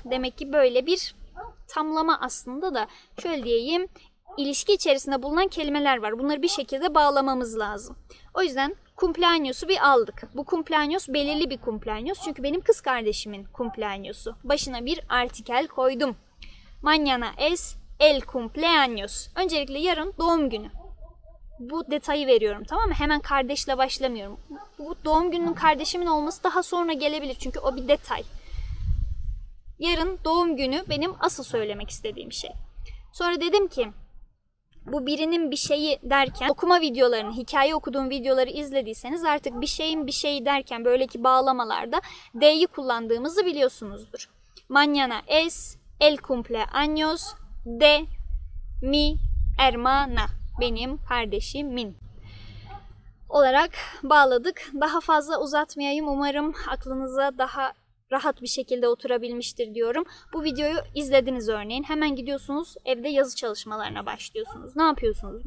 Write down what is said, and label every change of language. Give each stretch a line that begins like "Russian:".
Turkish: Demek ki böyle bir tamlama aslında da. Şöyle diyeyim. İlişki içerisinde bulunan kelimeler var. Bunları bir şekilde bağlamamız lazım. O yüzden cumpleaños'u bir aldık. Bu cumpleaños belirli bir cumpleaños. Çünkü benim kız kardeşimin cumpleaños'u. Başına bir artikel koydum.
Spanish: Mañana es el cumpleaños.
Turkish: Öncelikle yarın doğum günü. Bu detayı veriyorum, tamam mı? Hemen kardeşle başlamıyorum. Bu doğum gününün kardeşimin olması daha sonra gelebilir. Çünkü o bir detay. Yarın doğum günü benim asıl söylemek istediğim şey. Sonra dedim ki, bu birinin bir şeyi derken, okuma videolarını, hikaye okuduğum videoları izlediyseniz artık bir şeyin bir şeyi derken böyle ki bağlamalarda D'yi kullandığımızı biliyorsunuzdur.
Spanish: Mañana es el cumpleaños de mi hermana.
Turkish: Benim kardeşimin olarak bağladık. Daha fazla uzatmayayım. Umarım aklınıza daha rahat bir şekilde oturabilmiştir diyorum. Bu videoyu izlediniz örneğin. Hemen gidiyorsunuz evde yazı çalışmalarına başlıyorsunuz. Ne yapıyorsunuz?